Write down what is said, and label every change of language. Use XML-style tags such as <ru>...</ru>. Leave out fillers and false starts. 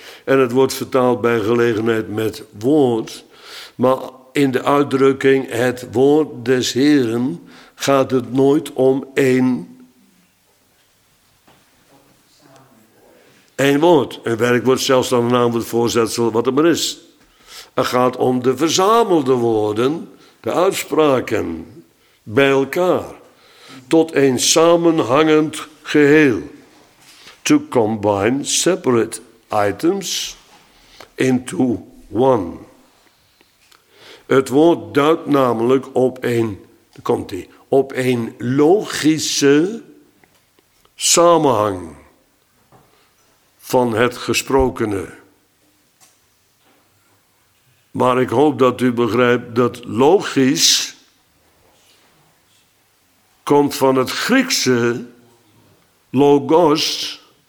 <nl>En het wordt vertaald bij gelegenheid met woord, maar in de uitdrukking het woord des Heren gaat het nooit om één woord. Een werkwoord, zelfs dan een naamwoord, voorzetsel, wat het maar is. Het gaat om de verzamelde woorden, de uitspraken, bij elkaar. Tot een samenhangend geheel.</nl> <en>To combine separate items into one.</en> <nl>Het woord duidt namelijk op een, daar komt ie, op een logische samenhang van het gesprokene. Maar ik hoop dat u begrijpt dat logisch komt van het Griekse logos.</nl>